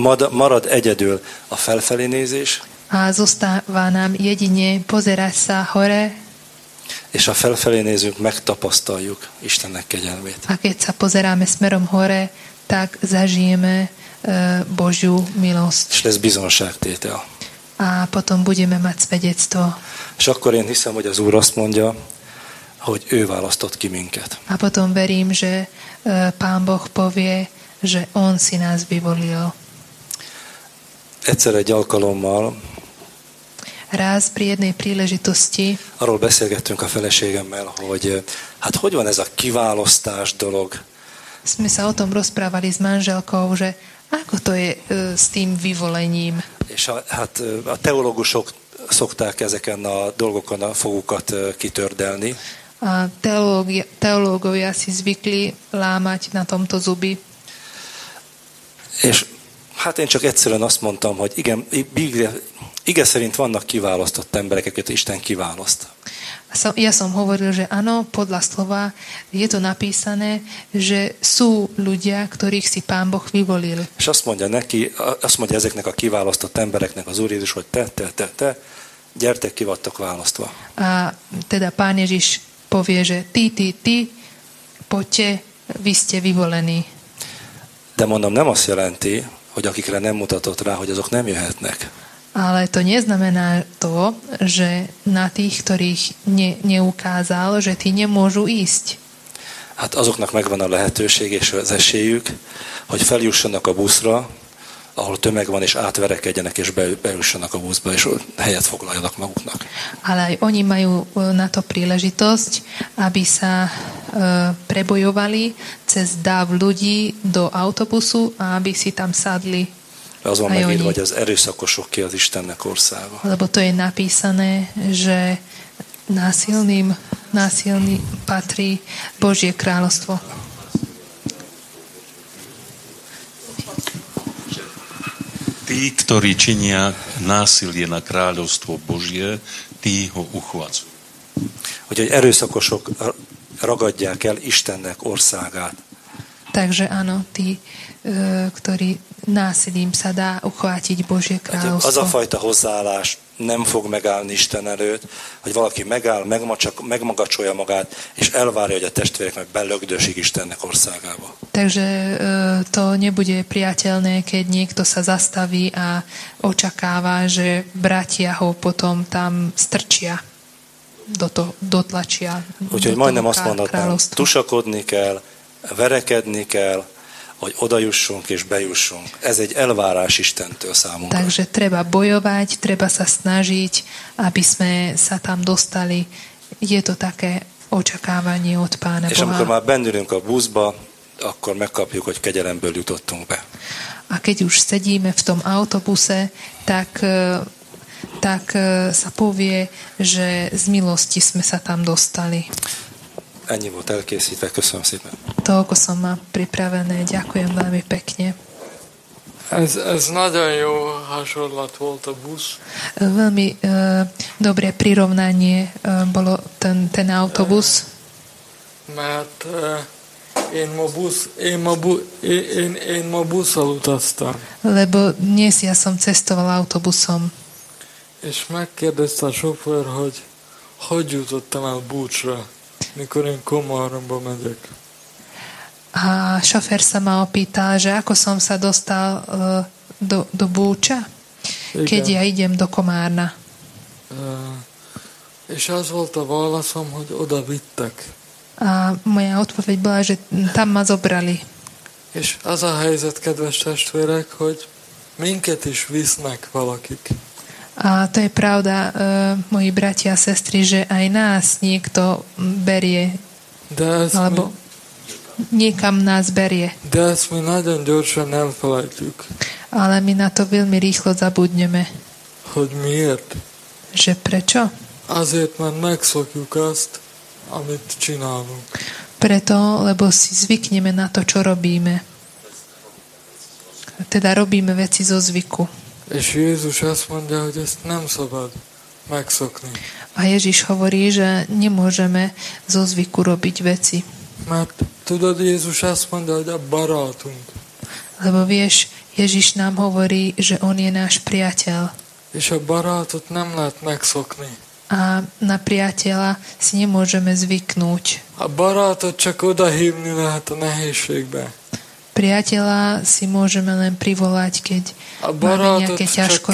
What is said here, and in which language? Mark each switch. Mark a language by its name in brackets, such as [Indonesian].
[Hungarian] Marad egyedül a felfelé nézés. [Slovak] A zostáva nám jedine pozerať sa hore. [Hungarian] És ha felfelé nézünk, megtapasztaljuk Istennek kegyelmét. [Slovak] A keď sa pozeráme smerom hore, tak zažijeme Božiu milosť. [Hungarian] És lesz bizonságtétel. [Slovak] A potom budeme mať svedectvo. [Hungarian] És akkor én hiszem, hogy az Úr azt mondja, hogy ő választott ki minket. [Slovak] A potom verím, že Pán Boh povie, že On si nás vyvolil. [Hungarian] Egyszer egy alkalommal [Slovak] ráz pri jednej príležitosti [Hungarian] arról beszélgettünk a feleségemmel, hogy hát hogy van ez a kiválasztás dolog. [Slovak] Sme sa o tom rozprávali s manželkou, že ako to je s tým vyvolením. [Hungarian] És a teológusok szokták ezeken a dolgokon a fogukat kitördelni. [Slovak] A teológovia si zvykli lámať na tomto zuby. [Hungarian] És hát én csak egyszerűen azt mondtam, hogy igen, ige szerint vannak kiválasztott emberek, akiket Isten kiválaszt. [Slovak] Ja som hovoril, že áno, podľa slova je to napísané, že sú ľudia, ktorých si Pán Boh vyvolil. [Hungarian] És azt mondja neki, azt mondja ezeknek a kiválasztott embereknek az Úr Jézus, hogy te, gyertek, ki vattok választva. [Slovak] A teda Pán Ježiš povie, že ty, poďte, vy ste vyvolení. [Hungarian] De mondom, nem azt jelenti, hogy akikre nem mutatott rá, hogy azok nem jöhetnek. [Slovak] Ale to neznamená to, že na tých, ktorých neukázal, že tí nemôžu ísť. [Hungarian] Hát azoknak megvan a lehetőség és az esélyük, hogy feljussanak a buszra, ahol tömeg van, és átverekedjenek, és bejussanak a buszba, és helyet foglaljanak maguknak. [Slovak] Ale aj oni majú na to príležitosť, aby sa prebojovali cez dáv ľudí do autobusu a aby si tam sadli. [Hungarian] Az van megint, hogy az erőszakosok ki az Istennek országa. [Slovak] Lebo to je napísané, že násilný patrí Božie kráľovstvo. Tí, ktorí činia násilie na kráľovstvo Božie, tí ho uchvácu. [Hungarian] Hogy erőszakosok ragadják el Istennek országát. [Slovak] Takže áno, tí, ktorí násilím sa dá uchvátiť Božie kráľovstvo. [Hungarian] Az a fajta hozzáállás nem fog megállni Isten előtt, hogy valaki megáll, megmagacsolja magát, és elvárja, hogy a testvérek meg belögdösik Istennek országába. [Slovak] Takže to nebude priateľné, keď niekto sa zastaví a očakáva, že bratia ho potom tam strčia, dotlačia. [Hungarian] Úgyhogy majdnem azt mondhatnám, tusakodni kell, verekedni kell, hogy odajussunk és bejussunk. Ez egy elvárás Istentől számunkra. [Slovak] Takže treba bojovať, treba sa snažiť, aby sme sa tam dostali. Je to také očakávanie od Pána [Hungarian] Boha. És amikor már bennülünk a buszba, akkor megkapjuk, hogy kegyelemből jutottunk be. [Slovak] A keď už sedíme v tom autobuse, tak sa povie, že z milosti sme sa tam dostali. [Hungarian] Ennyi volt elkészítve, köszönöm szépen. [Slovak] Toľko som ma pripravené, ďakujem veľmi pekne. [Hungarian] Ez nagyon jó hasonlat volt a busz. [Slovak] Veľmi dobré prirovnanie bolo ten autobus. [Hungarian] Mert én ma busszal utaztam. [Slovak] Lebo dnes ja som cestoval autobusom. [Hungarian] És megkérdezte a sofőr, hogy jutottam el Búcsra. Mikor én Komáromba megyek. [Slovak] A šofér sa ma opýtal, že ako som sa dostal do Búča, igen, keď ja idem do Komárna. [Hungarian] És az volt a válaszom, hogy oda vittek. [Slovak] A moja odpoveď bola, že tam ma zobrali. [Hungarian] És az a helyzet, kedves testvérek, hogy minket is visznek valakik. [Slovak] A to je pravda, moji bratia a sestry, že aj nás niekto berie. [Hungarian] De ez [Slovak] alebo... mi... niekam nás berie. [Hungarian] De ezt mi nagyon gyorsan elfelejtjük. [Slovak] Ale mi na to veľmi rýchlo zabudneme. [Hungarian] Hogy miért? [Slovak] Že prečo? [Hungarian] Azért, mert megszokjuk azt, amit csinálunk. [Slovak] Preto, lebo si zvykneme na to, čo robíme. Teda robíme veci zo zvyku. [Hungarian] És Jézus azt mondja, hogy ezt nem szabad megszokni. [Slovak] A Ježiš hovorí, že nemôžeme zo zvyku robiť veci. [Hungarian] Mert tudod, Jézus azt mondja, hogy a barátunk. [Slovak] Lebo vieš, Ježiš nám hovorí, že on je náš priateľ. [Hungarian] És a barátot nem lehet megszokni. [Slovak] A na priateľa si nemôžeme zvyknúť. [Hungarian] A barátot csak odahívni lehet a nehézségbe. [Slovak] Priateľa si môžeme len privolať, keď máme nejaké ťažkosti.